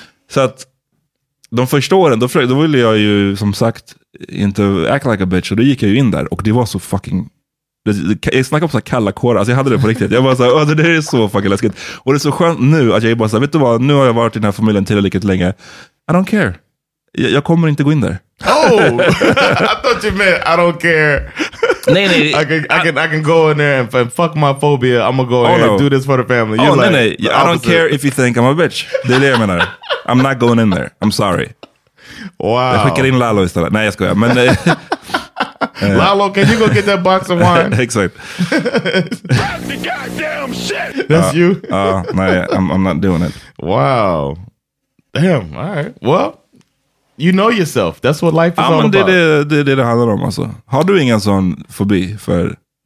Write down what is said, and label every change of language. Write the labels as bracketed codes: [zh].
[sv] Så att de första åren, då ville jag ju som sagt inte [en] act like a bitch. [sv] Och då gick jag ju in där och det var så fucking... Jag snackade om så här kalla kårar. Alltså jag hade det på riktigt. Jag bara så här, det är så fucking läskigt. Och det är så skönt nu att jag bara så här, vet du vad? Nu har jag varit i den här familjen tillräckligt länge. [en] I don't care. [sv] Jag kommer inte gå in där. [en] Oh! I thought you meant I don't care. [sv] Nej. [en] I can go in there and fuck my phobia. I'm gonna go in and do this for the family. I don't care if you think I'm a bitch. [sv] Det är det jag menar. [en] I'm not going in there. I'm sorry. Wow. [sv] Jag skickar in Lalo istället. Nej, jag skojar. Men, [en] Lalo, can you go get that box of wine? [sv] Exakt. [en] Goddamn shit. That's you. Nej, I'm not doing it. Wow. Damn. All right. Well, you know yourself. That's what life is all about. [sv] Det handlar om alltså. Har du ingen sån fobi för?